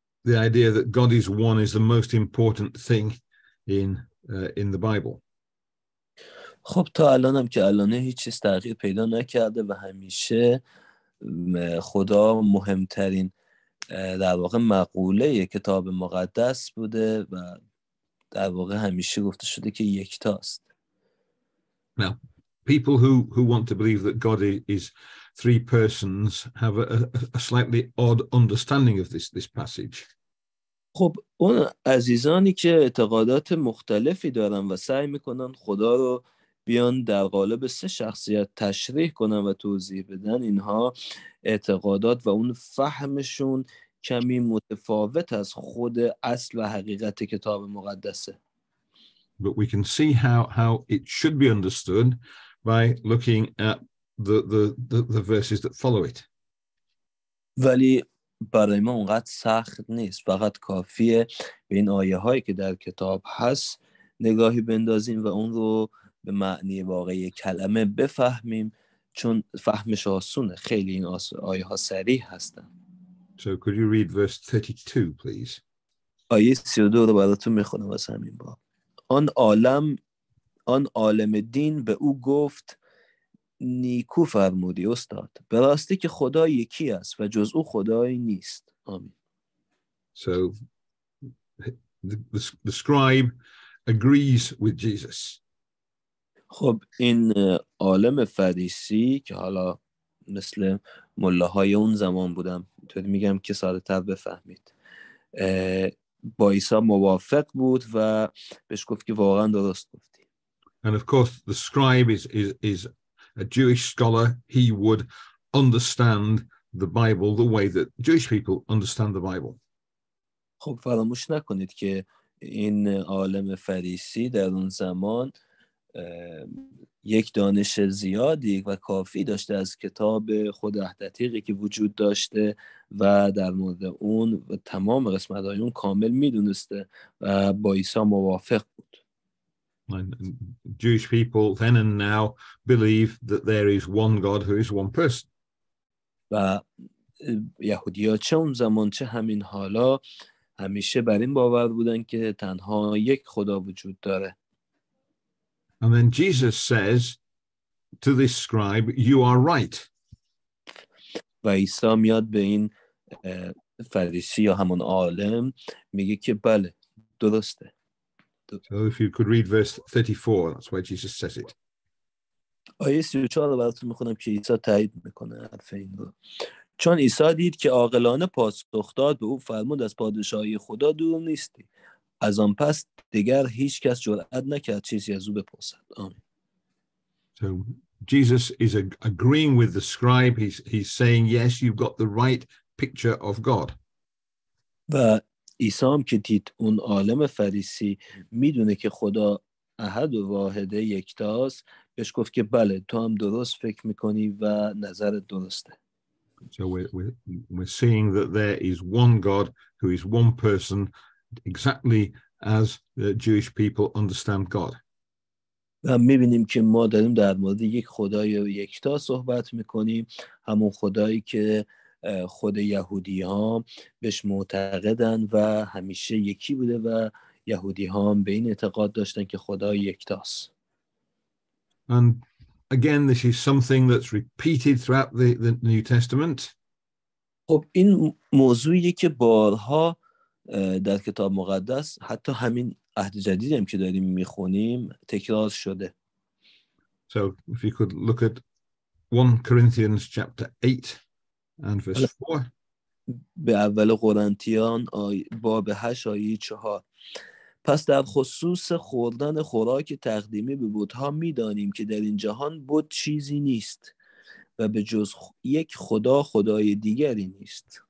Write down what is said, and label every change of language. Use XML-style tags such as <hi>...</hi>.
<en>The idea that God is one is the most important thing in the Bible.</en> <fa>خب تا الان هم که الان هیچ چیز تغییر پیدا نکرده و همیشه خدا مهمترین در واقع مقوله کتاب مقدس بوده و در واقع همیشه گفته شده که یکتاست.</fa> <en>Now, people who want to believe that God is three persons have a slightly odd understanding of this passage.</en> <fa>خب اون عزیزانی که اعتقادات مختلفی دارن و سعی میکنن خدا رو بیان در قالب سه شخصیت تشریح کنن و توضیح بدن، اینها اعتقادات و اون فهمشون کمی متفاوت از خود اصل و حقیقت کتاب مقدسه.</fa> <en>But we can see how it should be understood by looking at the verses that follow it.</en> <fa>ولی برای ما اونقدر سخت نیست، فقط کافیه به این آیه هایی که در کتاب هست نگاهی بندازیم و اون رو به معنی واقعی کلمه بفهمیم، چون فهمش آسونه، خیلی این آیه ها صریح هستن.</fa> <en>So could you read verse 32 please?</en> <fa>آیه 32 رو براتون میخونم از همین با. آن عالم دین به او گفت نیکو فرمودی استاد. به راستی که خدا یکی است و جز او خدایی نیست. آمین.</fa> <en>So the scribe agrees with Jesus.</en> <fa>خب این عالم فریسی که حالا مثل ملاهای اون زمان بودم توی میگم که ساده تر بفهمید با عیسی موافق بود و بهش گفت که واقعا درست گفتی.</fa> <en>And of course the scribe is a Jewish scholar. He would understand the Bible the way that Jewish people understand the Bible.</en> <fa>خب فراموش نکنید که این عالم فریسی در اون زمان یک دانش زیادی و کافی داشته از کتاب خود عهد عتیقی که وجود داشته و در مورد اون و تمام قسمت‌های اون کامل می‌دونسته و با عیسی موافق بود.</fa> <en>And Jewish people then and now believe that there is one God who is one person.</en> <fa>و یهودی‌ها چه اون زمان چه همین حالا همیشه بر این باور بودن که تنها یک خدا وجود داره.</fa> <en>And then Jesus says to this scribe, "You are right."</en> <fa>و عیسی میاد به این فریسی یا همون عالم میگه که بله درسته.</fa> <en>So if you could read verse 34, that's where Jesus says it.</en> <fa>آیه 34 رو براتون میخونم که عیسی تایید میکنه حرف این رو. چون عیسی دید که عاقلانه پاسخ داد به او فرمود از پادشاهی خدا دور نیستی. از آن پس دیگر هیچ کس جرأت نکرد چیزی از او بپرسد. آمین.</fa> <en>So Jesus is agreeing with the scribe. He's saying, yes, you've got the right picture of God.</en> <fa>و عیسی هم که دید اون عالم فریسی میدونه که خدا احد و واحده یکتاست بهش گفت که بله تو هم درست فکر میکنی و نظرت درسته.</fa> <en>So we're seeing that there is one God who is one person exactly as the Jewish people understand God.</en> <fa>و میبینیم که ما داریم در مورد یک خدای یکتا صحبت میکنیم همون خدایی که خود یهودی ها بهش معتقدن و همیشه یکی بوده و یهودی ها به این اعتقاد داشتن که خدا یکتاست.</fa> <en>And again this is something that's repeated throughout the New Testament.</en> <fa>خب این موضوعی که بارها در کتاب مقدس حتی همین عهد جدید هم که داریم میخونیم تکرار شده.</fa> <en>So if you could look at 1 Corinthians chapter 8 and verse 4.</en> <fa>به اول قرنتیان باب 8 آیه 4. پس در خصوص خوردن خوراک تقدیمی به بت‌ها می‌دانیم که در این جهان بت چیزی نیست و به جز یک خدا خدای دیگری نیست.</fa>